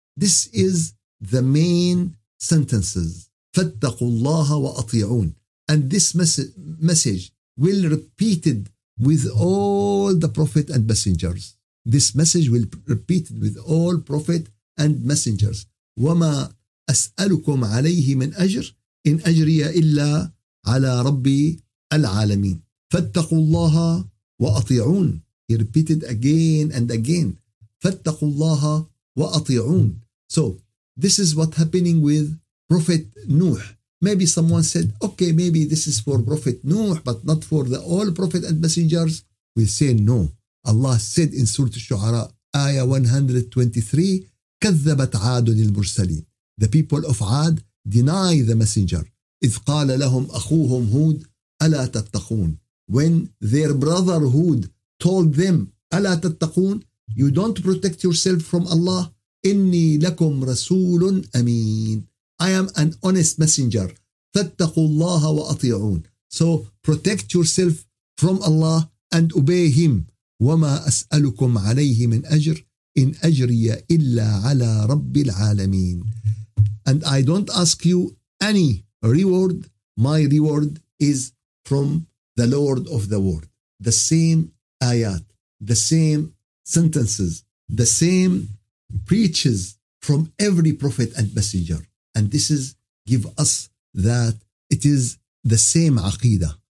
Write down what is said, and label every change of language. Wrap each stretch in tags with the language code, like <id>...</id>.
<en>This is the main sentences.</en> <ar>فَاتَّقُوا اللَّهَ وَأَطِيعُونَ.</ar> <en>And this message will be repeated with all the prophet and messengers. This message will be repeated with all prophet and messengers.</en> <ar>وَمَا أَسْأَلُكُمْ عَلَيْهِ مِنْ أَجْرٍ إن أجري إلا على ربي العالمين فاتقوا الله وأطيعون.</ar> <en>He repeated again and again.</en> <ar>فاتقوا الله وأطيعون.</ar> <en>So this is what happening with Prophet Nuh. Maybe someone said, okay, maybe this is for Prophet Nuh, but not for the all prophet and messengers. We say no. Allah said in Surah Al-Shu'ara, Ayah 123,</en> <ar>كذبت عاد المرسلين.</ar> <en>The people of عاد deny the messenger.</en> <ar>إذ قال لهم أخوهم هود ألا تتقون.</ar> <en>When their brother هود told them</en> <ar>ألا تتقون,</ar> <en>you don't protect yourself from Allah.</en> <ar>إني لكم رسول أمين.</ar> <en>I am an honest messenger.</en> <ar>فاتقوا الله وأطيعون.</ar> <en>So protect yourself from Allah and obey him.</en> <ar>وما أسألكم عليه من أجر إن أجري إلا على رب العالمين.</ar> <en>And I don't ask you any reward. My reward is from the Lord of the world. The same ayat, the same sentences, the same preaches from every prophet and messenger. And this is give us that it is the same aqidah.</en>